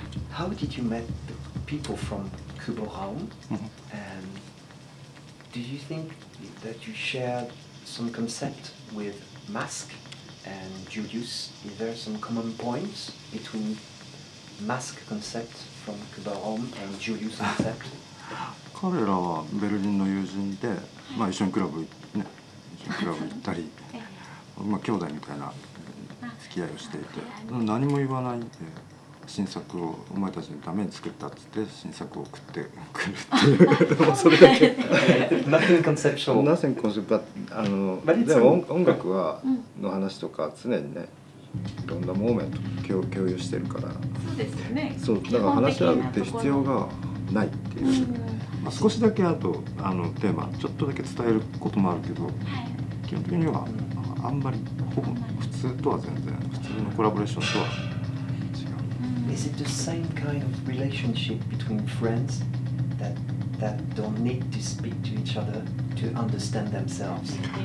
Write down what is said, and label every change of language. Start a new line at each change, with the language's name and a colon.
English: How did you meet the people from Kubo Raum? And do you think that you shared some concept with Mask and Julius? Is there some common points between Mask concept from Kubo Raum and Julius concept?
Japanese: 彼らはベルリンの友人で、まあ一緒にクラブ行ってね。クラブ行ったり、まあ、兄弟みたいな付き合いをしていて、何も言わないで新作をお前たちのために作ったっつって新作を送ってくるっていうそれだけ。
English: Nothing conceptual. Nothing conceptual.
Japanese: でも音楽はの話とか常にね、いろんなモーメント共有してるから、そうですよね、そうだから話し合うって必要がないっていう。まあ、少しだけあとあのテーマちょっとだけ伝えることもあるけど、基本的にはあんまりほぼ普通とは全然、普通のコラボレーションとは違う。
English: Is it the same kind of relationship between friends that don't need to speak to each other to understand themselves?